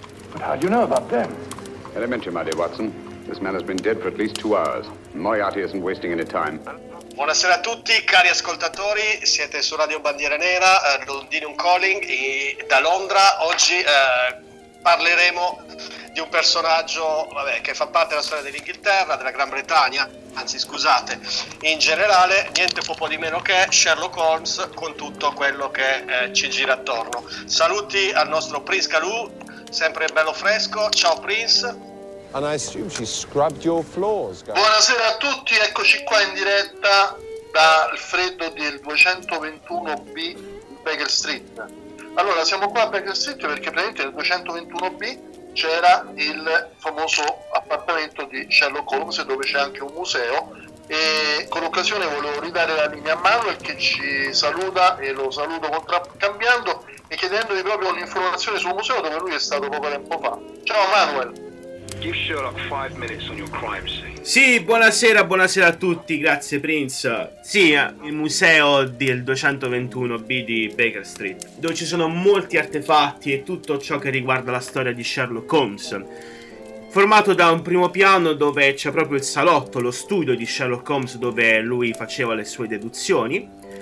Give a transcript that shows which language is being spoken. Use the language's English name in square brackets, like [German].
[English] But how do you know about them? Elementary, my dear Watson. This man has been dead for at least 2 hours. Moriarty isn't wasting any time. [Italian] Buonasera a tutti, cari ascoltatori. Siete su Radio Bandiera Nera, Londinium Calling, e da Londra. Oggi parleremo di un personaggio che fa parte della storia dell'Inghilterra, della Gran Bretagna, anzi scusate, in generale, niente po' di meno che Sherlock Holmes, con tutto quello che ci gira attorno. Saluti al nostro Prince Calù, sempre bello fresco. Ciao Prince. [English] And I assume she scrubbed your floors, guys. [Italian] Buonasera a tutti, eccoci qua in diretta dal freddo del 221B Baker Street. Allora, siamo qua a Baker Street perché praticamente nel 221B c'era il famoso appartamento di Sherlock Holmes, dove c'è anche un museo. E con l'occasione volevo ridare la linea a Manuel, che ci saluta, e lo saluto contraccambiando e chiedendogli proprio un'informazione sul museo dove lui è stato poco tempo fa. Ciao Manuel. [English] Give Sherlock 5 minutes on your crime scene. [Italian] Sì, buonasera, buonasera a tutti, grazie Prince. Sì, il museo del 221B di Baker Street, dove ci sono molti artefatti e tutto ciò che riguarda la storia di Sherlock Holmes. Formato da un primo piano dove c'è proprio il salotto, lo studio di Sherlock Holmes, dove lui faceva le sue deduzioni.